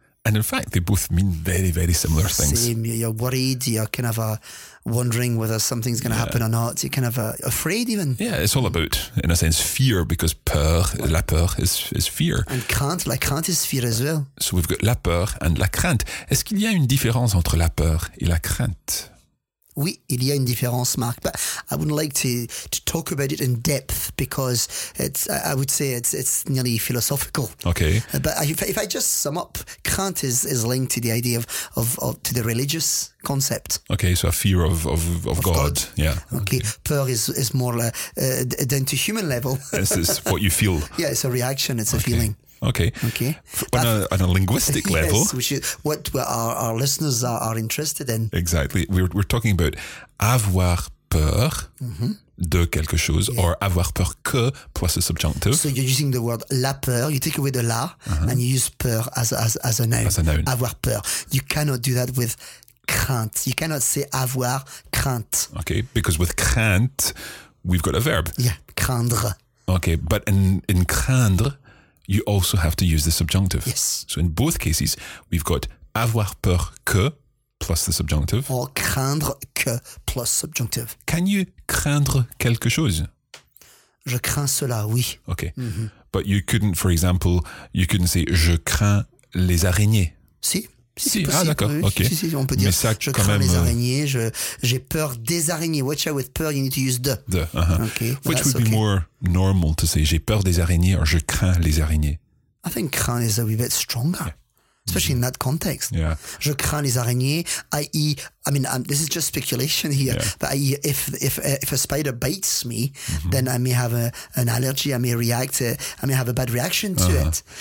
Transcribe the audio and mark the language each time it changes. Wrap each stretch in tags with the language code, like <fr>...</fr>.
<en>And in fact, they both mean very, very similar things. Same. You're worried, you're kind of wondering whether something's going to happen or not. You're kind of afraid even. Yeah, it's all about, in a sense, fear, because peur, what? La peur is fear. And crainte, la crainte is fear as well. So we've got la peur and la crainte.</en> <fr>Est-ce qu'il y a une différence entre la peur et la crainte? Oui, il y a une différence,</fr> <en>Marc, but I wouldn't like to talk about it in depth because I would say it's nearly philosophical. Okay. But if I just sum up, crainte is linked to the idea of to the religious concept. Okay, so a fear of God. God. Yeah. Okay. Peur is more down to human level. This is what you feel. Yeah, it's a reaction. It's a feeling. Okay. Okay. On a linguistic level. Yes, what our listeners are interested in. Exactly. We're talking about</en> <fr>avoir peur de quelque chose,</fr> <en>yeah. Or avoir peur que plus a subjunctive. So you're using the word la peur, you take away the la, and you use peur as a noun. As a noun.</en> <fr>Avoir peur.</fr> <en>You cannot do that with crainte. You cannot say avoir crainte. Okay, because with crainte, we've got a verb. Yeah, craindre. Okay, but in craindre, you also have to use the subjunctive. Yes. So in both cases, we've got avoir peur que plus the subjunctive. Or craindre que plus subjunctive. Can you craindre quelque chose?</en> <fr>Je crains cela, oui.</fr> <en>Okay. Mm-hmm. But you couldn't, for example, you couldn't say</en> <fr>je crains les araignées. Si. Si, c'est possible. Ah, d'accord. Oui.</fr> <en>Okay.</en> <fr>Si, on peut dire, mais ça, je crains les araignées, j'ai peur des araignées.</fr> <en>Watch out with peur, you need to use the. Uh-huh. Okay. Which would be more normal to say,</en> <fr>j'ai peur des araignées</fr> <en>or</en> <fr>je crains les araignées?</fr> <en>I think crains is a wee bit stronger, especially in that context. Yeah.</en> <fr>Je crains les araignées,</fr> <en>I mean, this is just speculation here, yeah. But if a spider bites me, then I may have an allergy, I may have a bad reaction to it.</en>